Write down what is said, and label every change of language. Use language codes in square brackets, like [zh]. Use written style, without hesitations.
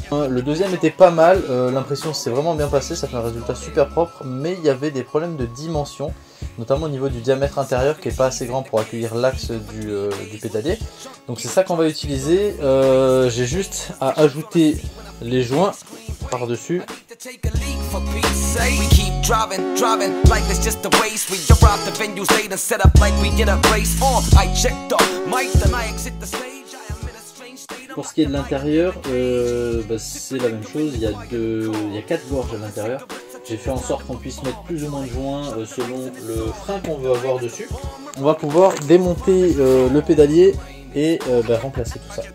[fr] Le deuxième était pas mal, l'impression s'est vraiment bien passée, ça fait un résultat super propre, mais il y avait des problèmes de dimension, notamment au niveau du diamètre intérieur qui est pas assez grand pour accueillir l'axe du pédalier. Donc c'est ça qu'on va utiliser, j'ai juste à ajouter les joints par-dessus. [en] for Pete's sake. We keep driving, driving, life is just a waste. We arrive the venues late and set up like we get a race. I checked off mic, then I exit the stage. [fr] Pour ce qui est de l'intérieur, c'est la même chose, il y a 4 gorges à l'intérieur. J'ai fait en sorte qu'on puisse mettre plus ou moins de joints selon le frein qu'on veut avoir dessus. On va pouvoir démonter le pédalier et remplacer tout ça.